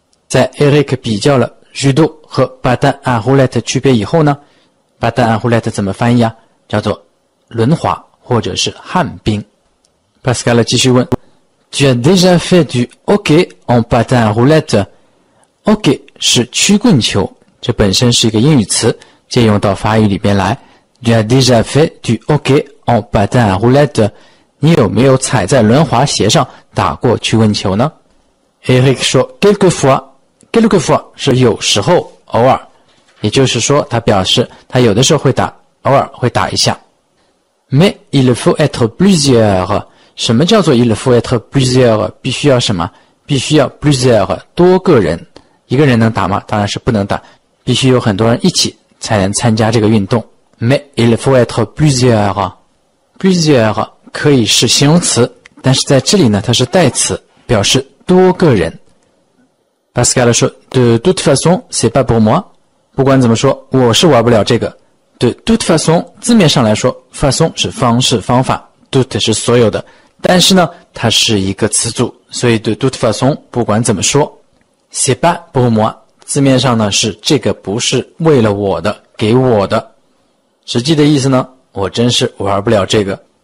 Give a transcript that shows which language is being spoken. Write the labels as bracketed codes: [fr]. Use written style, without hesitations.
[zh] C'est Eric 比较了 judo 和 [fr] patin à roulette [zh] 区别以后呢 ，patin à roulette 怎么翻译啊？叫做轮滑或者是旱冰。Pascal 继续问。 [fr] Tu as déjà fait du hockey en patin à roulette? [zh] Hockey 是曲棍球，这本身是一个英语词，借用到法语里边来。 [fr] Tu as déjà fait du hockey en patin à roulette? [zh] 你有没有踩在轮滑鞋上打过曲棍球呢 ？Eric 说 ，quelquefois 是有时候，偶尔，也就是说，他表示他有的时候会打，偶尔会打一下。 [fr] Mais il faut être plusieurs. [zh] 什么叫做 [fr] il faut être plusieurs? [zh] 必须要什么？必须要 plusieurs, 多个人。一个人能打吗？当然是不能打。必须有很多人一起才能参加这个运动。 [fr] Mais il faut être plusieurs [zh] 可以是形容词，但是在这里呢，它是代词，表示多个人。 [fr] Pascal 说 De toute façon, c'est pas pour moi. [zh] 不管怎么说，我是玩不了这个。 [fr] De toute façon, [zh] 字面上来说 ,façon 是方式方法。 Tout 是所有的，但是呢，它是一个词组，所以 [fr] de toute façon [zh] 不管怎么说 [fr] c'est pas pour moi [zh] 字面上呢是这个不是为了我的，给我的，实际的意思呢，我真是玩不了这个。